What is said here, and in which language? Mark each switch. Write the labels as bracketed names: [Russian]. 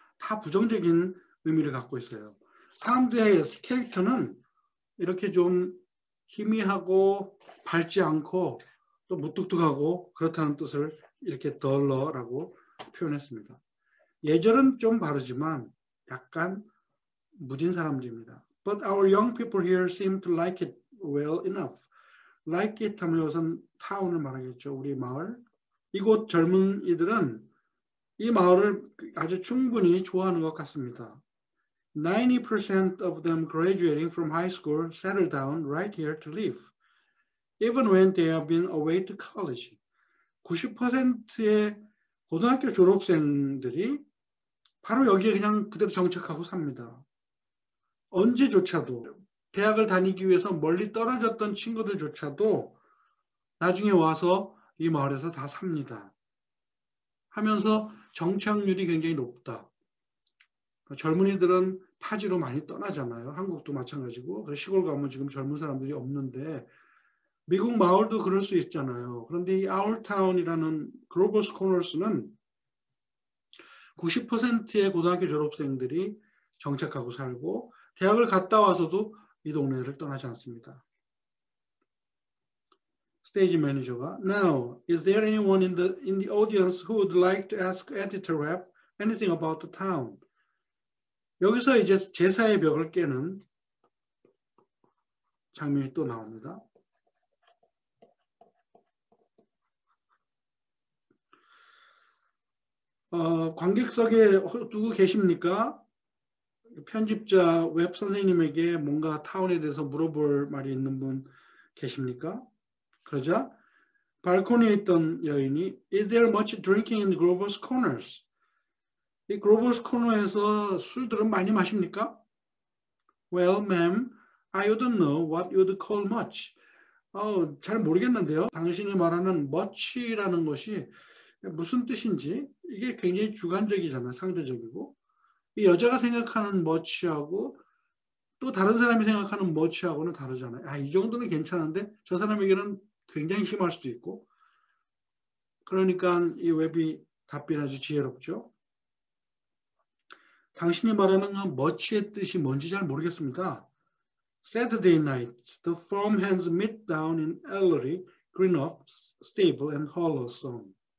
[Korean] 다 부정적인 의미를 갖고 있어요. 사람들의 캐릭터는 이렇게 좀 희미하고 밝지 않고 또 무뚝뚝하고 그렇다는 뜻을 이렇게 덜러라고 표현했습니다. 예절은 좀 바르지만 약간 무딘 사람들입니다. [English] But our young people here seem to like it well enough. [Korean] Like it 하면 여기서는 타운을 말하겠죠. 우리 마을. 이곳 젊은이들은 이 마을을 아주 충분히 좋아하는 것 같습니다. [English] 90% of them graduating from high school settle down right here to live, even when they have been away to college. [Korean] 90%의 고등학교 졸업생들이 바로 여기에 그냥 그대로 정착하고 삽니다. 언제조차도 대학을 다니기 위해서 멀리 떨어졌던 친구들조차도 나중에 와서 이 마을에서 다 삽니다. 하면서 정착률이 굉장히 높다. 젊은이들은 타지로 많이 떠나잖아요. 한국도 마찬가지고. 시골 가면 지금 젊은 사람들이 없는데 미국 마을도 그럴 수 있잖아요. 그런데 이 아울타운이라는 글로벌스 코너스는 90%의 고등학교 졸업생들이 정착하고 살고 대학을 갔다 와서도 이 동네를 떠나지 않습니다. 스테이지 매니저가 [English] Now, is there anyone in the audience who would like to ask Editor Rap anything about the town? [Korean] 여기서 이제 제사의 벽을 깨는 장면이 또 나옵니다. 관객석에 누구 계십니까? 편집자 웹 선생님에게 뭔가 타운에 대해서 물어볼 말이 있는 분 계십니까? 그러자 발코니에 있던 여인이 [English] Is there much drinking in Grover's Corners? [Korean] 이 글로벌스 코너에서 술들은 많이 마십니까? [English] Well, ma'am, I don't know what you'd call much. [Korean] 잘 모르겠는데요. 당신이 말하는 much라는 것이 무슨 뜻인지 이게 굉장히 주관적이잖아요. 상대적이고. 이 여자가 생각하는 much하고 또 다른 사람이 생각하는 much하고는 다르잖아요. 이 정도는 괜찮은데 저 사람에게는 굉장히 심할 수도 있고. 그러니까 이 웹이 답변 아주 지혜롭죠. 당신이 말하는 건 머치의 뜻이 뭔지 잘 모르겠습니다. [English] Saturday night, the farmhands meet down in Ellery, Greenough's stable and Hollowstone.